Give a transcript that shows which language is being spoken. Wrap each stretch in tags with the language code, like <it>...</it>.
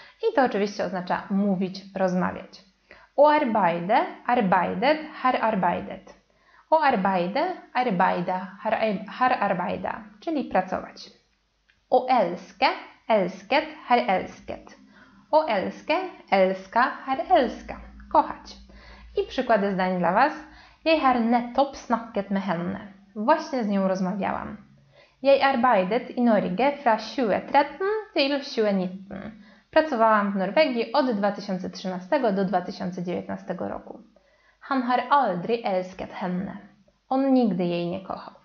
<pl>I to oczywiście oznacza mówić, rozmawiać.</pl> <no>O arbeide, arbeidet, har arbeidet. O arbeide, arbeida, har arbeida,</no> <pl>czyli pracować.</pl> <no>O elske, elsket, har elsket. O elske, elska, har elska,</no> <pl>kochać. I przykłady zdań dla Was.</pl> <no>Jeg har nettopp snakket med henne.</no> <pl>Właśnie z nią rozmawiałam.</pl> <no>Jeg arbeidet i Norge fra 2013 til 2019.</no> <pl>Pracowałam w Norwegii od 2013 do 2019 roku.</pl> <no>Han har aldri elsket henne.</no> <pl>On nigdy jej nie kochał.</pl>